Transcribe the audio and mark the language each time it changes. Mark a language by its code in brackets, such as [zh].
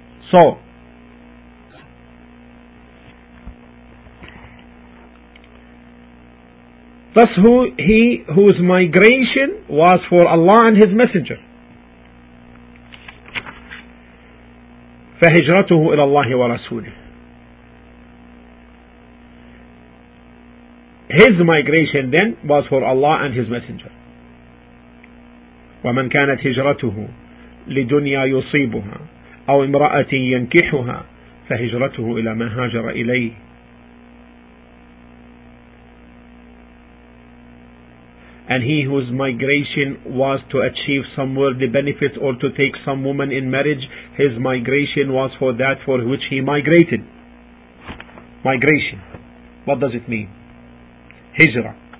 [en] So, thus whose migration was for Allah and His Messenger. [ar] فَهِجْرَتُهُ إِلَى اللَّهِ وَرَسُولِهِ. [en] His migration then was for Allah and His Messenger. [ar] وَمَنْ كَانَتْ هِجْرَتُهُ لِدُنْيَا يُصِيبُهَا أو امرأة ينكحها فهجرته إلى ما هاجر إليه. [en] And he whose migration was to achieve some worldly benefits or to take some woman in marriage, his migration was for that for which he migrated. Migration. What does it mean? Hijra.